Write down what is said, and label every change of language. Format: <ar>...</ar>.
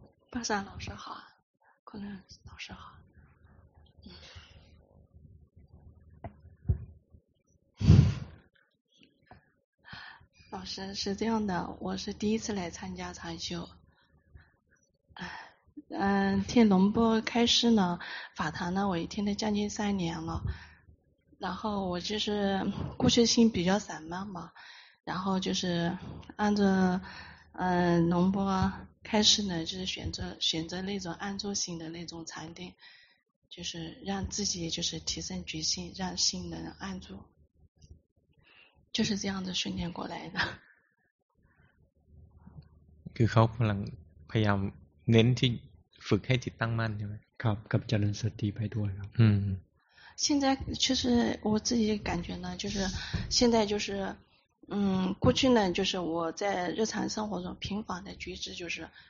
<zh>巴山老师好昆仑老师好老师是这样的我是第一次来参加禅修听龙波开示呢法堂呢我也听了将近三年了然后我就是故事性比较散漫嘛然后就是按着龙波开示呢就是选择那种安住性的那种禅定就是让自己就是提升觉性让心能安住就是这样子训练过来的</zh> <th>คือเขากำลังพยายามเน้นที่ฝึกให้จิตตั้งมั่นใช่ไหม ครับกับเจริญสติไปด้วยครับ</th> <zh>现在其实我自己感觉呢就是现在就是过去呢就是我在日常生活中频繁的觉知就是</zh>